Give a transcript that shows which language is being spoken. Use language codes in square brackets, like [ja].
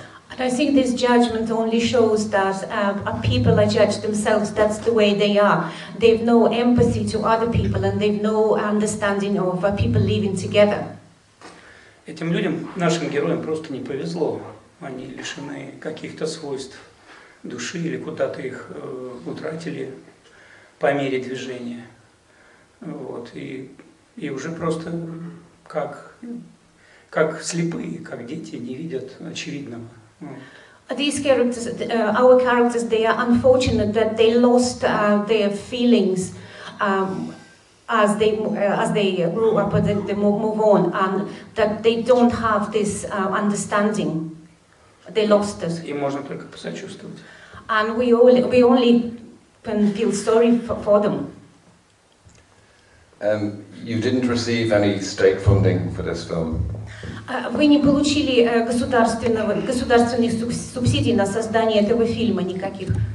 [en] And I think this judgment only shows that people are judged themselves, that's the way they are. They have no empathy to other people and they have no understanding of people living together. [ru] Этим людям, нашим героям, просто не повезло. Они лишены каких-то свойств души или куда-то их утратили по мере движения. Вот. И уже просто как слепые, как дети, не видят очевидного. [en] These characters, our characters, they are unfortunate that they lost their feelings as they grew up, or they move on, and that they don't have this understanding. They lost it. [ru] И можно только посочувствовать. [en] And we only can feel sorry for them. You didn't receive any state funding for this film. [ru] Вы не получили государственных субсидий на создание этого фильма никаких?